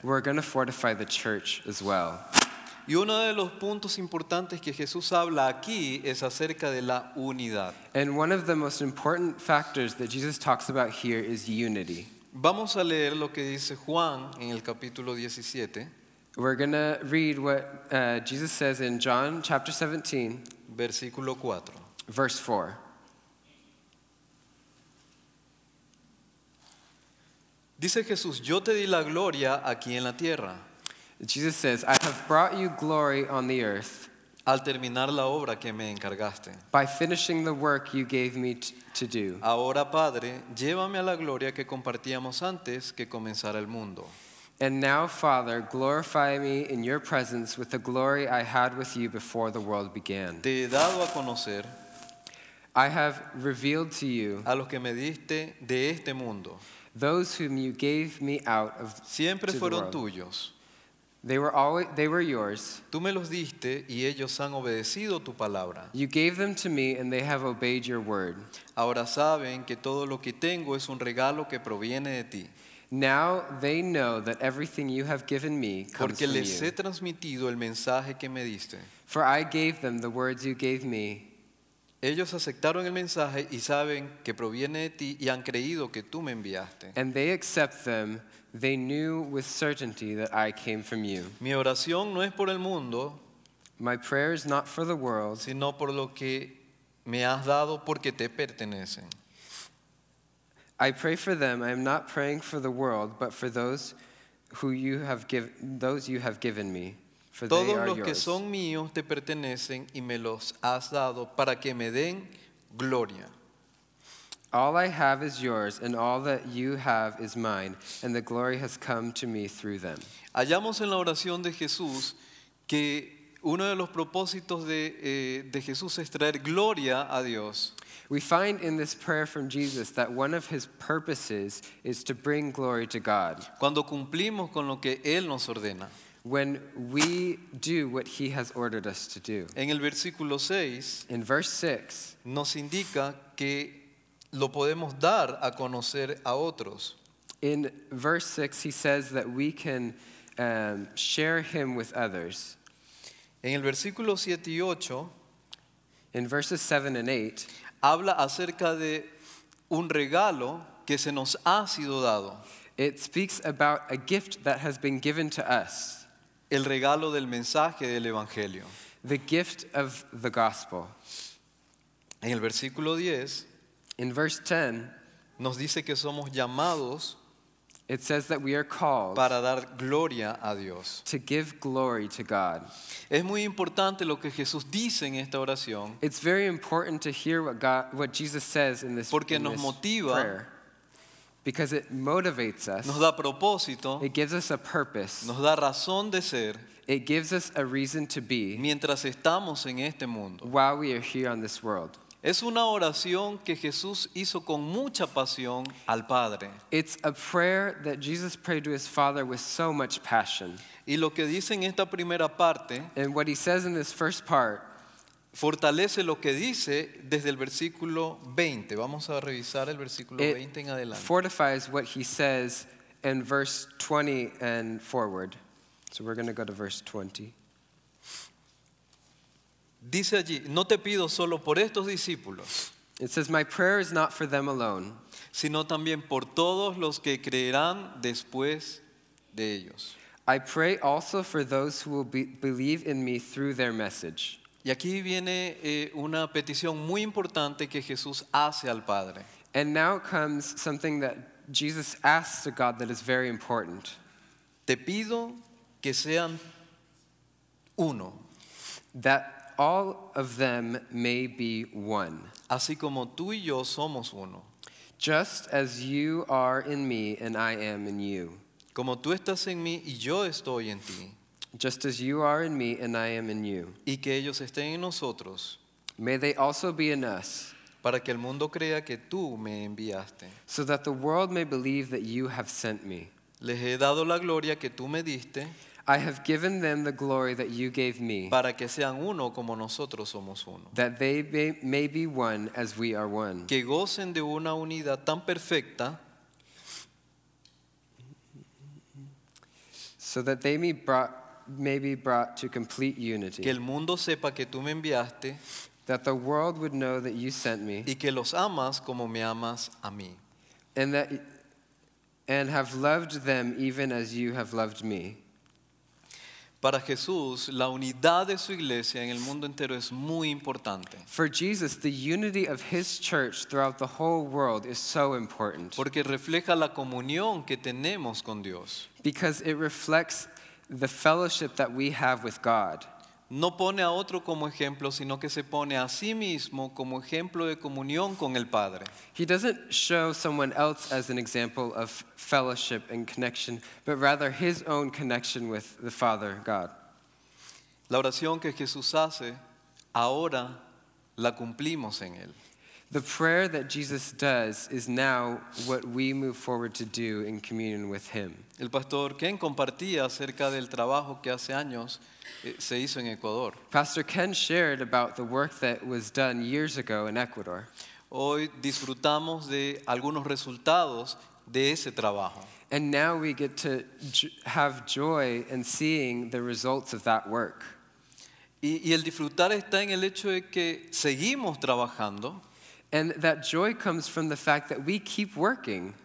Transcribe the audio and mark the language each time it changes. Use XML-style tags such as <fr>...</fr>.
<en>We're going to fortify the church as well.</en> <es>Y uno de los puntos importantes que Jesús habla aquí es acerca de la unidad.</es> <en>And one of the most important factors that Jesus talks about here is unity.</en> <es>Vamos a leer lo que dice Juan en el capítulo 17.</es> <en>We're going to read what Jesus says in John chapter 17,</en> <es>versículo 4.</es> <en>Verse 4.</en> <es>Dice Jesús, "Yo te di la gloria aquí en la tierra."</es> <en>Jesus says, I have brought you glory on the earth</en> <es>al terminar la obra que me encargaste.</es> <en>By finishing the work you gave me to do.</en> <es>Ahora, Padre, llévame a la gloria que compartíamos antes que comenzara el mundo.</es> <en>And now, Father, glorify me in your presence with the glory I had with you before the world began.</en> <es>Te he dado a conocer</es> <en>I have revealed to you</en> <es>a los que me diste de este mundo.</es> <en>Those whom you gave me out of</en> <es>siempre fueron tuyos.</es> <en>They were yours.</en> <es>Tú me los diste y ellos han obedecido tu palabra.</es> <en>You gave them to me and they have obeyed your word.</en> <es>Ahora saben que todo lo que tengo es un regalo que proviene de ti.</es> <en>Now they know that everything you have given me comes from you.</en> <es>Porque les he transmitido el mensaje que me diste.</es> <en>For I gave them the words you gave me.</en> <es>Ellos aceptaron el mensaje y saben que proviene de ti y han creído que tú me enviaste.</es> <en>And they accept them. They knew with certainty that I came from you.</en> <es>Mi oración no es por el mundo.</es> <en>My prayer is not for the world. Sino por lo que me has dado porque te pertenecen. I pray for them. I am not praying for the world, but for those who you have given, those you have given me. For</en> <es>todos</es> <en>they are</en> <es>los</es> <en>yours.</en> <es>Que son míos te pertenecen y me los has dado para que me den gloria.</es> <en>All I have is yours, and all that you have is mine, and the glory has come to me through them.</en> <es>Hallamos en la oración de Jesús que uno de los propósitos de Jesús es traer gloria a Dios.</es> <en>We find in this prayer from Jesus that one of his purposes is to bring glory to God.</en> <es>Cuando cumplimos con lo que él nos ordena.</es> <en>When we do what he has ordered us to do.</en> <es>En el versículo 6,</es> <en>in verse 6,</en> <es>nos indica que lo podemos dar a conocer a otros.</es> <en>In verse 6, he says that we can share him with others.</en> <es>En el versículo 7 y 8,</es> <en>in verses 7 and 8,</en> <es>habla acerca de un regalo que se nos ha sido dado.</es> <en>It speaks about a gift that has been given to us.</en> <es>El regalo del mensaje del evangelio.</es> <en>The gift of the gospel.</en> <es>En el versículo 10,</es> <en>in verse 10,</en> <es>nos dice que somos llamados,</es> <en>it says that we are called,</en> <es>para dar gloria a Dios.</es> <en>To give glory to God.</en> <es>Es muy importante lo que Jesús dice en esta oración.</es> <en>It's very important to hear what Jesus says in this,</en> <es>porque</es> <en>in</en> <es>nos</es> <en>this</en> <es>motiva,</es> <en>prayer. Because it motivates us.</en> <es>Nos da propósito.</es> <en>It gives us a purpose.</en> <es>Nos da razón de ser.</es> <en>It gives us a reason to be.</en> <es>Mientras estamos en este mundo.</es> <en>While we are here on this world.</en> <es>Es una oración que Jesús hizo con mucha pasión al Padre.</es> <en>It's a prayer that Jesus prayed to his Father with so much passion.</en> <es>Y lo que dice en esta primera parte,</es> <en>and what he says in this first part,</en> <es>fortalece lo que dice desde el versículo 20. Vamos a revisar el versículo 20 en adelante.</es> <en>It fortifies what he says in verse 20 and forward. So we're going to go to verse 20.</en> <es>Dice allí, no te pido solo por estos discípulos.</es> <en>It says, my prayer is not for them alone.</en> <es>Sino también por todos los que creerán después de ellos.</es> <en>I pray also for those who will believe in me through their message.</en> <es>Y aquí viene una petición muy importante que Jesús hace al Padre.</es> <en>And now comes something that Jesus asks to God that is very important.</en> <es>Te pido que sean uno.</es> <en>That all of them may be one.</en> <es>Así como tú y yo somos uno.</es> <en>Just as you are in me and I am in you.</en> <es>Como tú estás en mí y yo estoy en ti.</es> <en>Just as you are in me and I am in you.</en> <es>Y que ellos estén en nosotros.</es> <en>May they also be in us.</en> <es>Para que el mundo crea que tú me enviaste.</es> <en>So that the world may believe that you have sent me.</en> <es>Les he dado la gloria que tú me diste.</es> <en>I have given them the glory that you gave me.</en> <es>Para que sean uno como nosotros somos uno.</es> <en>That they may be one as we are one.</en> <es>Que gocen de una unidad tan perfecta.</es> <en>So that they may be brought to complete unity.</en> <es>Que el mundo sepa que tú me enviaste.</es> <en>That the world would know that you sent me.</en> <es>Y que los amas como me amas a mí.</es> <en>And have loved them even as you have loved me.</en> <es>Para Jesús, la unidad de su iglesia en el mundo entero es muy importante.</es> <en>For Jesus, the unity of his church throughout the whole world is so important.</en> <es>Porque refleja la comunión que tenemos con Dios.</es> <en>Because it reflects the fellowship that we have with God.</en> <es>No pone a otro como ejemplo, sino que se pone a sí mismo como ejemplo de comunión con el Padre.</es> <en>He doesn't show someone else as an example of fellowship and connection, but rather his own connection with the Father God.</en> <es>La oración que Jesús hace, ahora la cumplimos en él.</es> <en>The prayer that Jesus does is now what we move forward to do in communion with him.</en> <es>El pastor Ken compartía acerca del trabajo que hace años se hizo en Ecuador.</es> <en>Pastor Ken shared about the work that was done years ago in Ecuador.</en> <es>Hoy disfrutamos de algunos resultados de ese trabajo.</es> <en>And now we get to have joy in seeing the results of that work.</en> <es>Y el disfrutar está en el hecho de que seguimos trabajando.</es> <en>And that joy comes from the fact that we keep working</en>